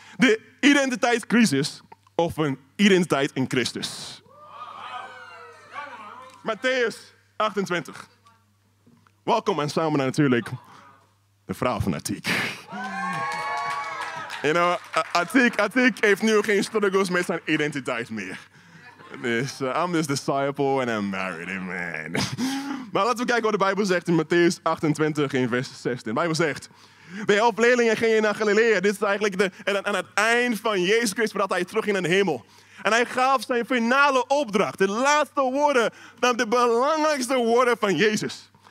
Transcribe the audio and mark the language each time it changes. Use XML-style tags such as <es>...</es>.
<nl>De identiteitscrisis of een identiteit in Christus. Matthäus 28. Welkom en samen natuurlijk de vrouw van Atiek.</nl> <en>You know,</en> <nl>Atiek heeft nu geen struggles met zijn identiteit meer.</nl> <en>Dus I'm his disciple and I'm married, amen.</en> <nl>Maar laten we kijken wat de Bijbel zegt in Matthäus 28 in vers 16. De Bijbel zegt, de 11 leerlingen gingen naar Galilea. Dit is eigenlijk aan het eind van Jezus Christus voordat hij terug ging naar de hemel. En hij gaf zijn finale opdracht, de laatste woorden, de belangrijkste woorden van Jezus.</nl>